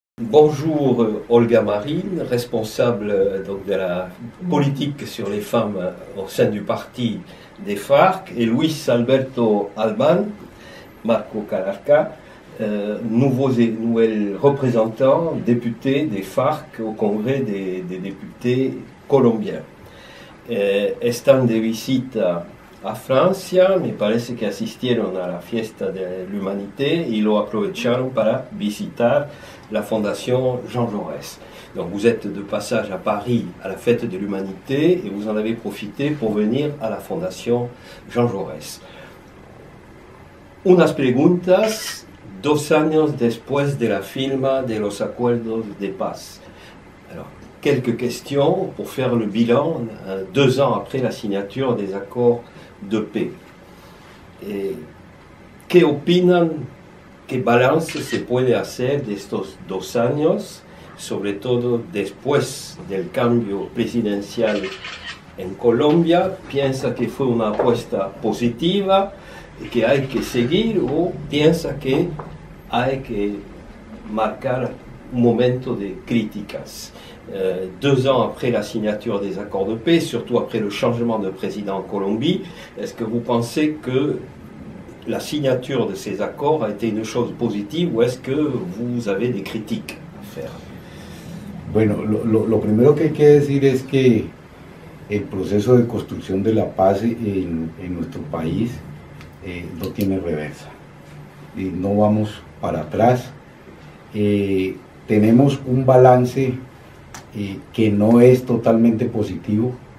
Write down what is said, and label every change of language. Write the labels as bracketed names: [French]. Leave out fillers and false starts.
[French] Bonjour Olga Marine, responsable donc, de la politique sur les femmes au sein du parti des FARC, et Luis Alberto Albán, Marco Calarca, nouvel représentant député des FARC au Congrès des députés colombiens. [Spanish] Están de visita a Francia, me parece que asistieron a la fiesta de l'humanité y lo aprovecharon para visitar la Fondation Jean Jaurès. [French] Donc vous êtes de passage à Paris à la fête de l'humanité et vous en avez profité pour venir à la Fondation Jean Jaurès. [Spanish] Unas preguntas 2 años después de la firma de los acuerdos de paz. [French] Alors, quelques questions pour faire le bilan 2 ans après la signature des accords de paix. [Spanish] Et qué balance se puede hacer de estos 2 años, sobre todo después del cambio presidencial en Colombia? ¿Piensa que fue una apuesta positiva y que hay que seguir o piensa que hay que marcar un momento de críticas? [French] 2 ans après la signature des accords de paix, surtout après le changement de président en Colombie, est-ce que vous pensez que la signature de ces accords a été une chose positive ou est-ce que vous avez des critiques à faire? [Spanish] Bueno, lo primero que hay que decir es que el proceso de construcción de la paz en nuestro país no tiene reversa. No vamos para atrás. Tenemos un balance que no es totalmente positivo.